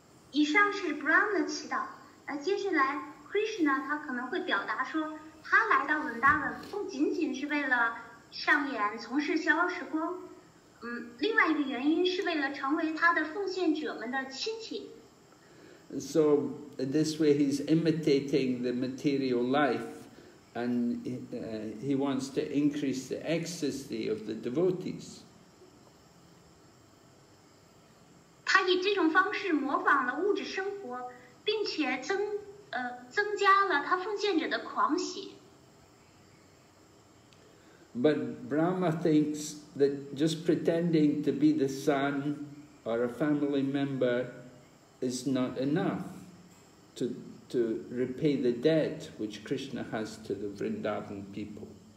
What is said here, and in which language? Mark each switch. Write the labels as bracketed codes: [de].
[zh] 以上是 Brahma 的祈祷，接下来 Krishna 他可能会表达说，他来到 Vrindavan 不仅仅是为了上演从事消时光，另外一个原因是为了成为他的奉献者们的亲戚。 [en] So this way he's imitating the material life, and he wants to increase the ecstasy of the devotees. [zh] 他以这种方式模仿了物质生活，并且增加了他奉献者的狂喜。 [en] But Brahma thinks that just pretending to be the son or a family member is not enough to repay the debt which Krishna has to the Vrindavan people.